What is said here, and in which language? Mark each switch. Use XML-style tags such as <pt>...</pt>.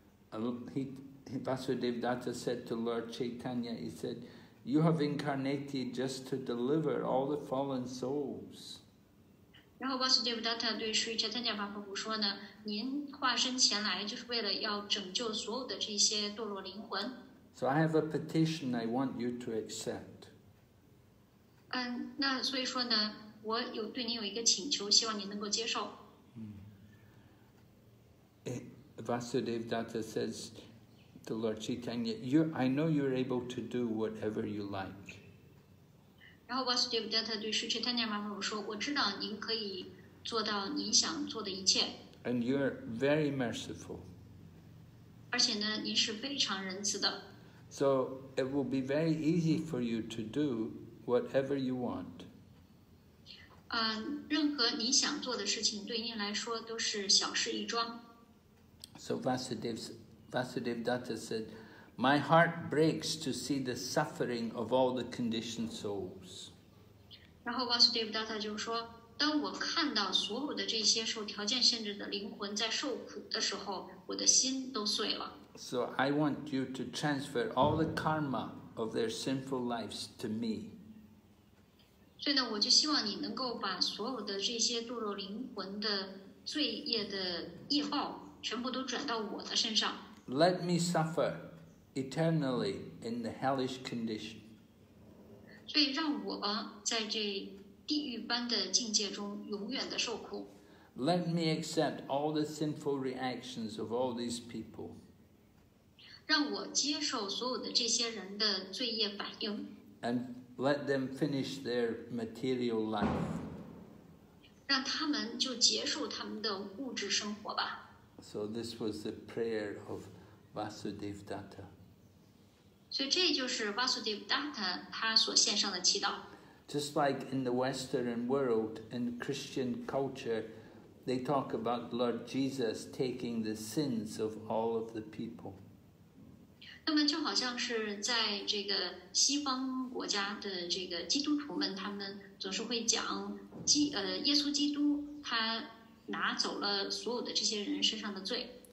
<en>Vasudev Datta said to Lord Chaitanya, he said, you have incarnated just to deliver all the fallen souls.</en> <zh>然后 Vasudev Datta 对 Sri Chaitanya Mahaprabhu 说呢，您化身前来就是为了要拯救所有的这些堕落灵魂。</zh> <en>So I have a petition I want you to accept.</en> <zh>那所以说呢，我有对您有一个请求，希望您能够接受。</zh> <en>Vasudev Datta says,To Lord Chaitanya, I know you're able to do whatever you like.</en> <zh>然后 Vasudev Datta 对 Sri Chaitanya Mahaprabhu 说，我知道您可以做到您想做的一切。</zh> <en>And you're very merciful.</en> <zh>而且呢，您是非常仁慈的。</zh> <en>So it will be very easy for you to do whatever you want.</en> <zh>任何你想做的事情对你来说都是小事一桩。</zh> <en>So Vasudevdatta said, "My heart breaks to see the suffering of all the conditioned souls."</en> <zh>然后 Vasudevdatta 就说，当我看到所有的这些受条件限制的灵魂在受苦的时候，我的心都碎了。</zh> <en>So I want you to transfer all the karma of their sinful lives to me.</en> <zh>所以呢，我就希望你能够把所有的这些堕落灵魂的罪业的业报全部都转到我的身上。</zh> <en>Let me suffer eternally in the hellish condition.</en> <zh>所以让我在这地狱般的境界中永远的受苦。</zh> <en>Let me accept all the sinful reactions of all these people.</en> <zh>让我接受所有的这些人的罪业反应。</zh> <en>And let them finish their material life.</en> <zh>让他们就结束他们的物质生活吧。</zh> <en>So this was the prayer of Vasudevdatta.</en> <zh>所以这就是 Vasudevdatta 他所献上的祈祷。</zh> <en>Just like in the Western world, in Christian culture, they talk about Lord Jesus taking the sins of all of the people.</en> <zh>那么就好像是在这个西方国家的这个基督徒们，他们总是会讲耶稣基督他拿走了所有的这些人身上的罪。</zh>